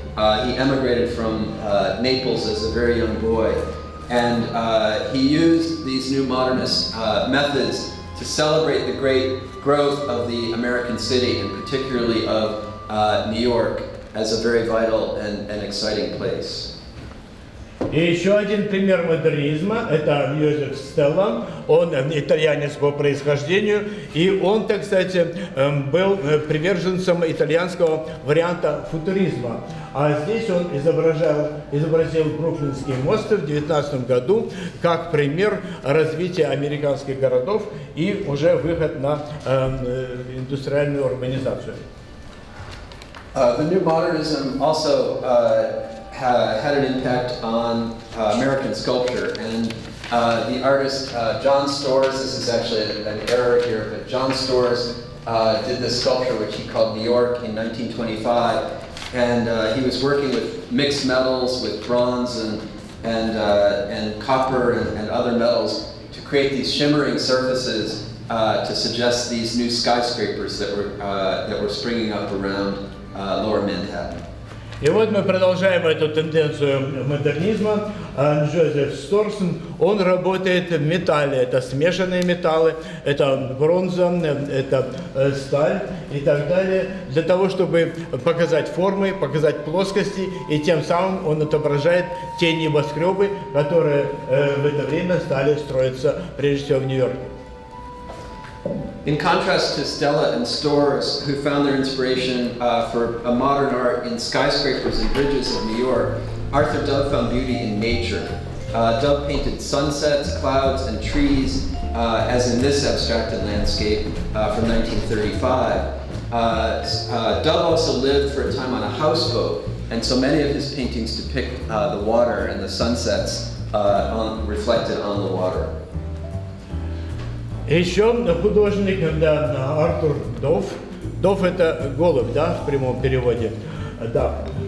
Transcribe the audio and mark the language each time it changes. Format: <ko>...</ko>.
<en>He emigrated from Naples as a very young boy, and he used these new modernist methods to celebrate the great growth of the American city, and particularly of New York, as a very vital and exciting place.</en> <ru>И еще один пример модернизма – это Йозеф Стелла. Он итальянец по происхождению, и он, так сказать, был приверженцем итальянского варианта футуризма. А здесь он изобразил Бруклинский мост в 19 году как пример развития американских городов и уже выход на индустриальную урбанизацию.</ru> <en>The new modernism also had an impact on American sculpture, and the artist John Storrs, this is actually an error here, but John Storrs did this sculpture which he called New York in 1925, and he was working with mixed metals, with bronze and copper and other metals to create these shimmering surfaces to suggest these new skyscrapers that were springing up around Lower Manhattan.</en> <ru>И вот мы продолжаем эту тенденцию модернизма. Джозеф Сторс, он работает в металле. Это смешанные металлы, это бронза, это сталь и так далее. Для того, чтобы показать формы, показать плоскости, и тем самым он отображает те небоскребы, которые в это время стали строиться прежде всего в Нью-Йорке.</ru> <en>In contrast to Stella and Storrs, who found their inspiration for a modern art in skyscrapers and bridges of New York, Arthur Dove found beauty in nature. Dove painted sunsets, clouds, and trees, as in this abstracted landscape from 1935. Dove also lived for a time on a houseboat, and so many of his paintings depict the water and the sunsets reflected on the water.</en> <ru>Еще художник, да, Артур Дов. Дов – это голубь, да, в прямом переводе. Да.</ru>